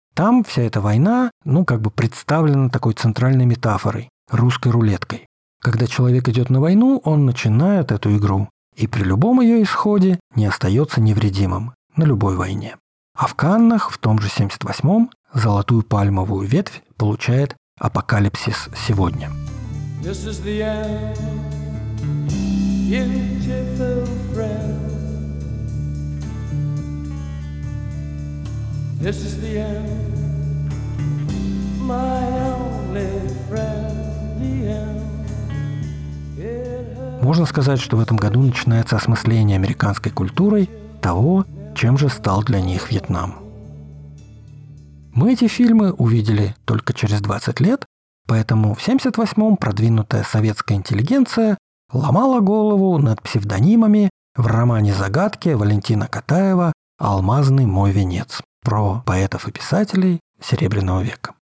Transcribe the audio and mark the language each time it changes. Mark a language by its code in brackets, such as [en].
[ru] Там вся эта война, ну, как бы представлена такой центральной метафорой – русской рулеткой. Когда человек идет на войну, он начинает эту игру, и при любом ее исходе не остается невредимым на любой войне. А в Каннах в том же 78-м золотую пальмовую ветвь получает «Апокалипсис сегодня». [en] This is the end, beautiful friend. This is the end, my only friend, the end. [ru] Можно сказать, что в этом году начинается осмысление американской культурой того, чем же стал для них Вьетнам. Мы эти фильмы увидели только через 20 лет, поэтому в 78-м продвинутая советская интеллигенция ломала голову над псевдонимами в романе-загадке Валентина Катаева «Алмазный мой венец» про поэтов и писателей Серебряного века.